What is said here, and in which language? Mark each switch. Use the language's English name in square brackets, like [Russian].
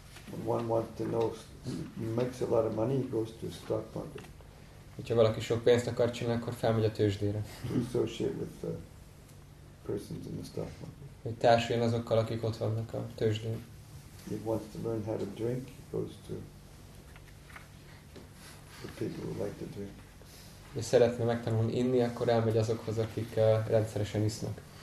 [English] When one wants to know, makes a lot of money, he goes to a stock market. [Hungarian] Hogyha valaki sok pénzt akar csinálni, akkor felmegy a tőzsdére. [English] Associate with the persons in the stock market. [Hungarian] Hogy társuljon azokkal, akik ott vannak a tőzsdén. [English] He wants to learn how to drink, he goes to the people who like to drink. [Hungarian] Ha szeretne megtanulni inni, akkor elmegy azokhoz, akik rendszeresen isznak.